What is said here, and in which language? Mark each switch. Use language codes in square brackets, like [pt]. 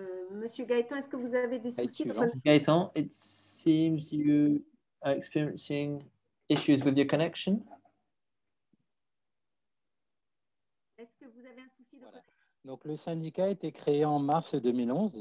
[fr] Monsieur Gaëtan, est-ce que vous avez des soucis? [en] Gaëtan, it seems you are experiencing issues with your connection. [fr] Est-ce que vous avez un souci de... Donc le syndicat a été créé en mars 2011.